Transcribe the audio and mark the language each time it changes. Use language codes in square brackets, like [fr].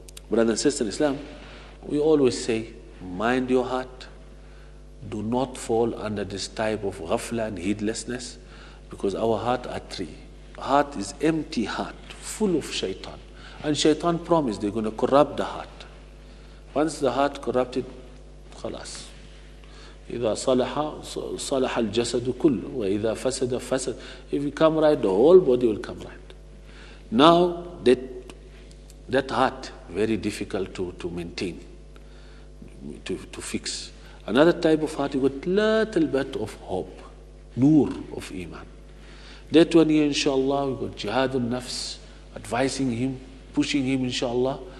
[en] Brother and sister in Islam, we always say, mind your heart. Do not fall under this type of ghafla and heedlessness, because our heart are three. Heart is empty heart, full of shaitan. And shaitan promised they're going to corrupt the heart. Once the heart corrupted, khalas. [ar] إذا صلح صلح الجسد كل وإذا فسد فسد. [en] If you come right, the whole body will come right. Now that heart very difficult to maintain, to fix. Another type of heart, you got little bit of hope, nur of iman. That one year, inshallah, we got jihadun nafs, advising him, pushing him, inshallah.